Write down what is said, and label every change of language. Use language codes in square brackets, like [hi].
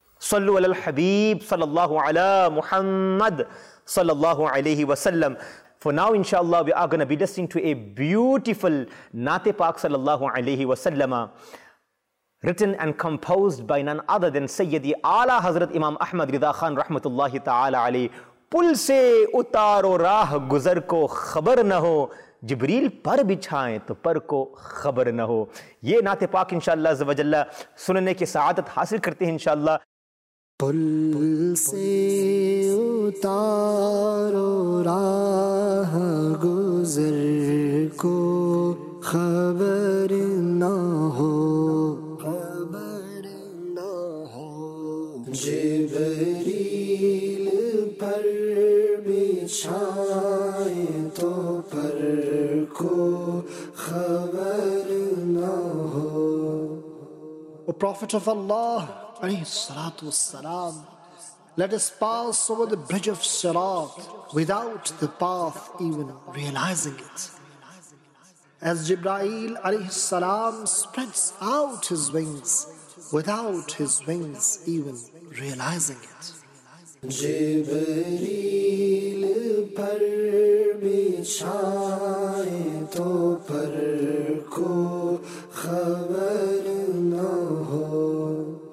[ar] صلو علی الحبیب صلی اللہ علی محمد صلی اللہ علیہ وسلم. [en] For now, inshallah, we are going to be listening to a beautiful Naat-e Paak sallallahu alayhi wa sallam, written and composed by none other than Sayyidi Ala Hazrat Imam Ahmad Ridha Khan rahmatullahi ta'ala alayhi. [ur] Pul se utaro raah guzar ko khabar na ho, جبریل پر بچھائیں تو پر کو خبر نہ ہو. یہ نعت پاک انشاءاللہ عز و جل سننے کی سعادت حاصل کرتے ہیں انشاءاللہ. پل سے اتارو راہ گزر کو خبر نہ ہو, خبر نہ ہو, جبریل پر بچھائیں تو پر کو خبر نہ ہو. [en] O Prophet of Allah alayhi salatu wassalam, let us pass over the bridge of Sirat without the path even realizing it. As Jibreel alayhi salam spreads out his wings without his wings even realizing it. [ur] Jibreel par bichhaye to par ko khabar na ho.